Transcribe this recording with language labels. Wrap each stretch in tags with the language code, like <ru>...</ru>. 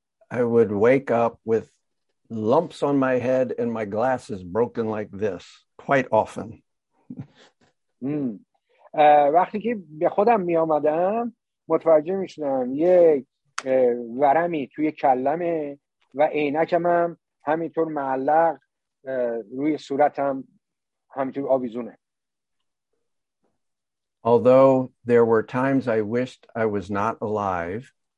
<en>I would wake up with lumps on my head and my glasses broken like this quite often.</en> <fa>وقتی که به خودم میامدم متوجه میشدم یک ورمی توی کلمه و عینکم هم همینطور معلق روی صورتم همینطور آویزونه.</fa> <en>Although there were times I wished I was not alive.</en>